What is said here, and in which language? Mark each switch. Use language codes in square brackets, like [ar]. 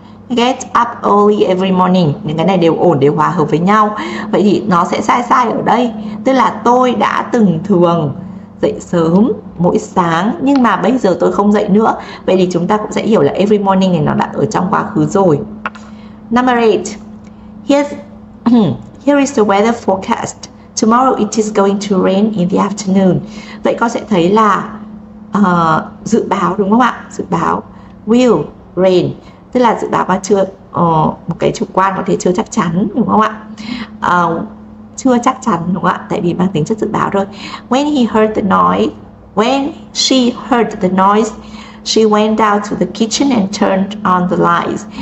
[en] Get up early every morning, [vi] những cái này đều ổn, đều hòa hợp với nhau. Vậy thì nó sẽ sai sai ở đây, tức là tôi đã từng thường dậy sớm mỗi sáng nhưng mà bây giờ tôi không dậy nữa. Vậy thì chúng ta cũng sẽ hiểu là every morning này nó đã ở trong quá khứ rồi. [en] Number eight. Here is the weather forecast. Tomorrow it is going to rain in the afternoon. [vi] Vậy con sẽ thấy là dự báo đúng không ạ? Dự báo will rain. Tức là dự báo mà chưa một cái chủ quan có thể chưa chắc chắn đúng không ạ? Chưa chắc chắn đúng không ạ? Tại vì mang tính chất dự báo rồi. [en] When he heard the noise, when she heard the noise, she went down to the kitchen and turned on the lights.